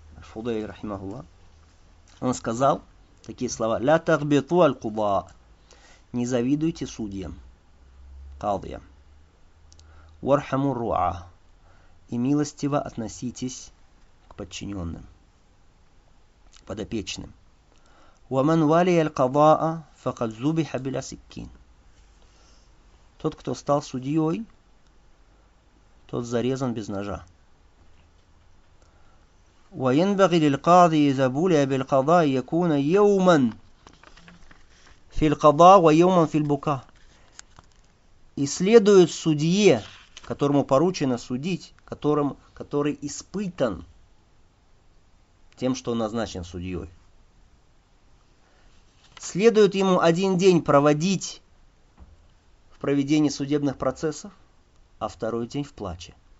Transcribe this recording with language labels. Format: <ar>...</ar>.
<ru>Аль-Фудейль, рахимахулла, он сказал такие слова:</ru> <ar>«Ля тагбиту аль-куда»,</ar> <ru>«Не завидуйте судьям», «Кадия»,</ru> <ar>«Вархаму руа»,</ar> <ru>«И милостиво относитесь к подчиненным», «К подопечным».</ru> <ar>«Ваман вали аль-кадаа факад зубиха биля сиккин»,</ar> <ru>«Тот, кто стал судьей, тот зарезан без ножа».</ru> <ar>وينبغي للقاضي إذا بولي بالقضاء يكون يوما في القضاء ويوما في البكاء.</ar> <ru>И следует судье, которому поручено судить, который испытан тем, что назначен судьей. Следует ему один день проводить в проведении судебных процессов, а второй день в плаче.</ru>